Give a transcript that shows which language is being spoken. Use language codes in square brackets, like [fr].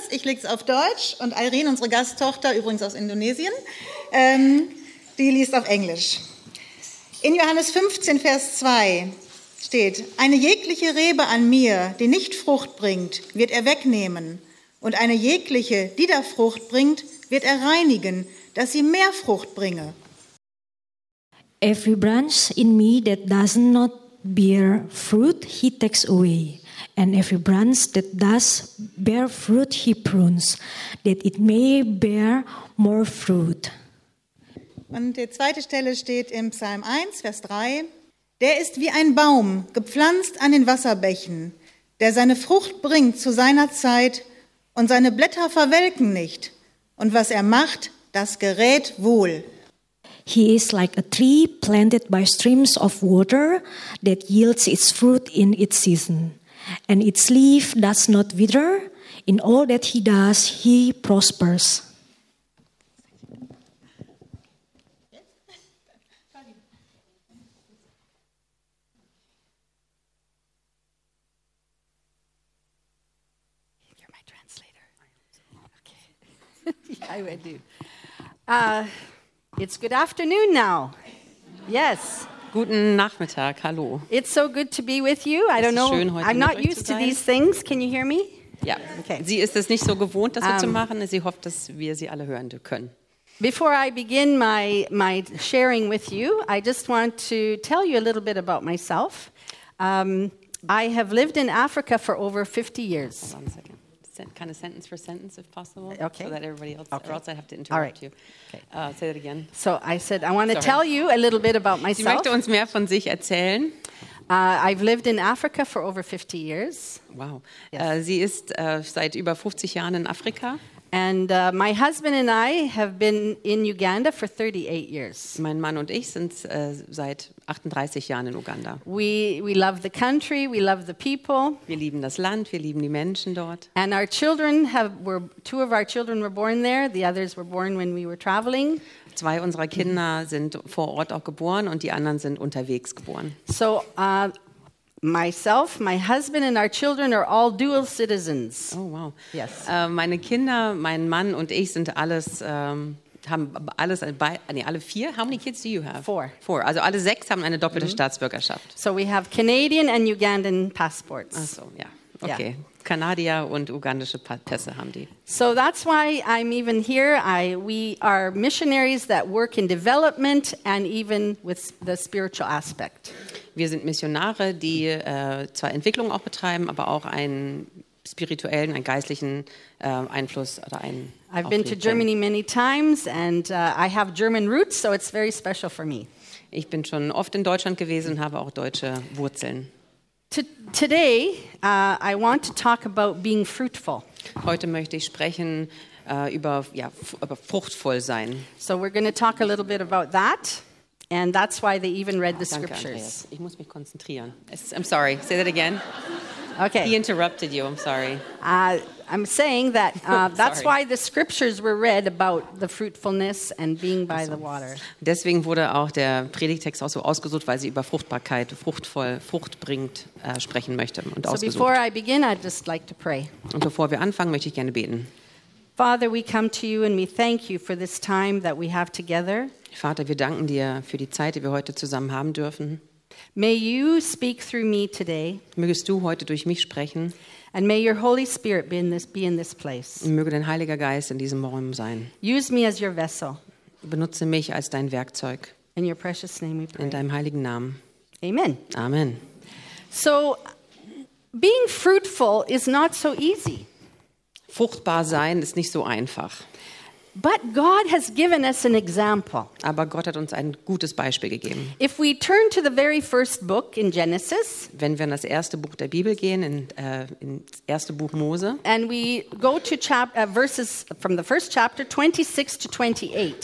[de] Ich lese es auf Deutsch und Irene, unsere Gasttochter, übrigens aus Indonesien, die liest auf Englisch. In Johannes 15, Vers 2 steht: Eine jegliche Rebe an mir, die nicht Frucht bringt, wird er wegnehmen. Und eine jegliche, die da Frucht bringt, wird er reinigen, dass sie mehr Frucht bringe. [en] Every branch in me that does not bear fruit, he takes away. And every branch that does bear fruit, he prunes, that it may bear more fruit. [de] Und die zweite Stelle steht im Psalm 1, Vers 3. Der ist wie ein Baum, gepflanzt an den Wasserbächen, der seine Frucht bringt zu seiner Zeit und seine Blätter verwelken nicht. Und was er macht, das gerät wohl. [en] He is like a tree planted by streams of water that yields its fruit in its season. And its leaf does not wither. In all that he does, he prospers. You're my translator. Okay. Yeah, I will do. It's good afternoon now. Yes. [de] Guten Nachmittag. Hallo. [en] It's so good to be with you. I don't know. [de] Schön, heute [en] I'm not used to these things. Can you hear me? [de] Ja. Okay. Sie ist es nicht so gewohnt, das zu machen. Sie hofft, dass wir sie alle hören können. [en] Before I begin my sharing with you, I just want to tell you a little bit about myself. I have lived in Africa for over 50 years. Hold on a second. Kind of sentence for sentence, if possible, okay. So that everybody else, okay. Or else I have to interrupt right. you. Okay. Say that again. So I said, I want to tell you a little bit about myself. [de] Sie möchte uns mehr von sich erzählen. [en] I've lived in Africa for over 50 years. Wow. Yes. [de] Sie ist seit über 50 Jahren in Afrika. [en] And my husband and I have been in Uganda for 38 years. [de] Mein Mann und ich sind seit 38 Jahren in Uganda. [en] We love the country, we love the people. [de] Wir lieben das Land, wir lieben die Menschen dort. [en] And our children two of our children were born there, the others were born when we were traveling. [de] Zwei unserer Kinder sind vor Ort auch geboren und die anderen sind unterwegs geboren. [en] So myself, my husband and our children are all dual citizens. Oh wow. Yes. [de] Meine Kinder, mein Mann und ich sind alles alle vier. [en] How many kids do you have? Four. [de] Also alle sechs haben eine doppelte Staatsbürgerschaft. [en] So we have Canadian and Ugandan passports. [de] Ach so, ja. [en] Okay. Yeah. [de] Kanadier und ugandische Pässe haben die. [en] So that's why I'm even here. We are missionaries that work in development and even with the spiritual aspect. [de] Wir sind Missionare, die zwar Entwicklung auch betreiben, aber auch einen spirituellen, einen geistlichen Einfluss oder einen. [en] I've been to Germany many times and I have German roots, so it's very special for me. [de] Ich bin schon oft in Deutschland gewesen und habe auch deutsche Wurzeln. [en] Today, I want to talk about being fruitful. [de] Heute möchte ich sprechen über über fruchtvoll sein. [en] So we're going to talk a little bit about that. And that's why they even read the scriptures. [de] Andreas. Ich muss mich konzentrieren. [en] I'm sorry. Say that again. Okay. He interrupted you. I'm sorry. I'm saying that that's why the scriptures were read about the fruitfulness and being by the water. [de] Deswegen wurde auch der Predigttext auch so ausgesucht, weil sie über Fruchtbarkeit, fruchtvoll, Frucht bringt sprechen möchte und ausgesucht. [en] So before I begin, I'd just like to pray. [de] Und bevor wir anfangen, möchte ich gerne beten. [en] Father, we come to you and we thank you for this time that we have together. [de] Vater, wir danken dir für die Zeit, die wir heute zusammen haben dürfen. [en] May you speak through me today. [de] Mögest du heute durch mich sprechen. [en] And may your Holy Spirit be in this place. [de] Und möge dein Heiliger Geist in diesem Raum sein. [en] Use me as your vessel. [de] Benutze mich als dein Werkzeug. [en] In your precious name we pray. [de] In deinem heiligen Namen. [en] Amen. [de] Amen. [en] So, being fruitful is not so easy. [de] Fruchtbar sein ist nicht so einfach. [en] But God has given us an example. [de] Aber Gott hat uns ein gutes Beispiel gegeben. [en] If we turn to the very first book in Genesis, [de] wenn wir in das erste Buch der Bibel gehen, ins erste Buch Mose, [en] and we go to verses from the first chapter 26 to 28.